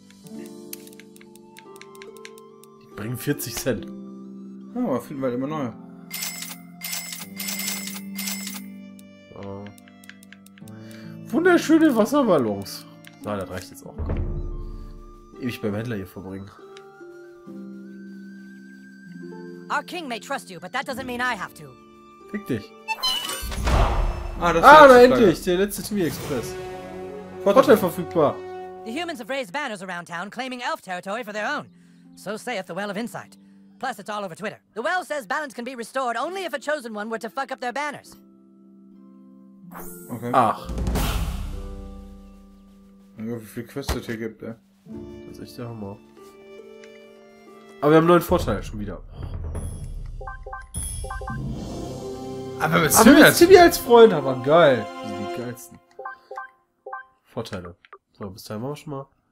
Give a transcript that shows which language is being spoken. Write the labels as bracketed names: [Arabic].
[German] Die bringen 40 Cent. Ja, aber finden wir halt immer neue. Wunderschöne Wasserballons. Na, das reicht jetzt auch. Ewig beim Händler hier verbringen. [English] Our king may trust you, but that doesn't mean I have to. [German] Fick dich. Ah, da endlich, der letzte TV-Express. Vorteil verfügbar. [English] The humans have raised banners around town, claiming elf territory for their own. So saith the Well of Insight. Plus, it's all over Twitter. The Well says balance can be restored only if a chosen one were to fuck up their banners. [German] Okay. Ach. Ja, wie viele Quests es hier gibt, ey. Das ist echt der Hammer. Aber wir haben einen neuen Vorteil, schon wieder. Aber mit Simi als... Simi als Freund, aber geil. Die sind die geilsten. Vorteile. So, bis dahin machen wir schon mal.